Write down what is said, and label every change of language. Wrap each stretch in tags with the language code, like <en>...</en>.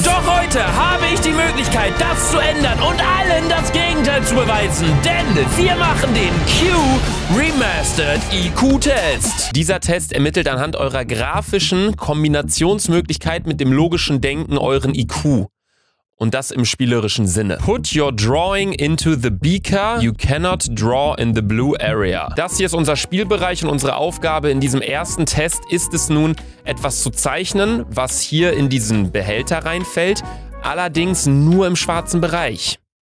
<de>Doch heute habe ich die Möglichkeit, das zu ändern und allen das Gegenteil zu beweisen. Denn wir machen den Q Remastered IQ-Test. Dieser Test ermittelt anhand eurer grafischen Kombinationsmöglichkeit mit dem logischen Denken euren IQ. Und das im spielerischen Sinne.</de> <en>Put your drawing into the beaker. You cannot draw in the blue area.</en> <de>Das hier ist unser Spielbereich und unsere Aufgabe in diesem ersten Test ist es nun, etwas zu zeichnen, was hier in diesen Behälter reinfällt, allerdings nur im schwarzen Bereich.</de>